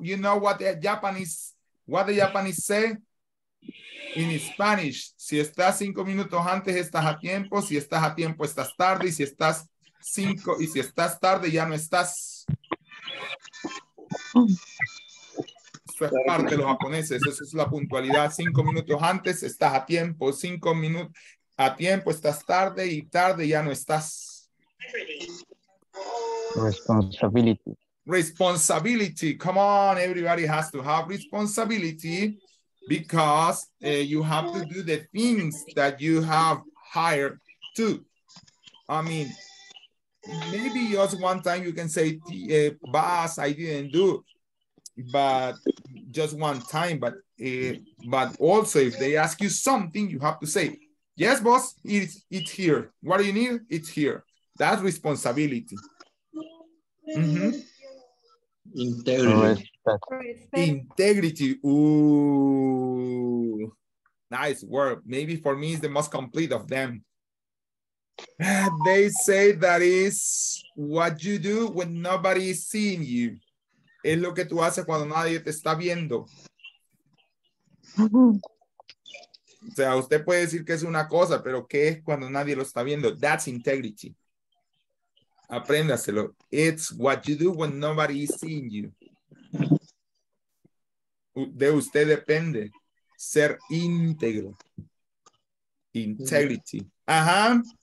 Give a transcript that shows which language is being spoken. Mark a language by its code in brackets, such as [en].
[en] You know what the Japanese say in Spanish? [es] Si estás 5 minutos antes, estás a tiempo. Si estás a tiempo, estás tarde. Si estás cinco y si estás tarde, ya no estás. Eso es parte de los japoneses. Eso es la puntualidad. 5 minutos antes, estás a tiempo. 5 minutos. A tiempo estás tarde y tarde ya no estás. [en] Responsibility. Responsibility. Come on, everybody has to have responsibility because you have to do the things that you have hired to. I mean, maybe just one time you can say, boss, I didn't do it. But just one time. But also, if they ask you something, you have to say, yes, boss, it's here. What do you need? It's here. That's responsibility. Mm-hmm. Integrity. Integrity. Ooh. Nice word. Maybe for me is the most complete of them. They say that is what you do when nobody is seeing you. [es] Es lo que tú haces cuando nadie te está viendo. O sea, usted puede decir que es una cosa, pero ¿qué es cuando nadie lo está viendo? [en] That's integrity. [es] Apréndaselo. [en] It's what you do when nobody is seeing you. [es] De usted depende ser íntegro. Integrity. Ajá.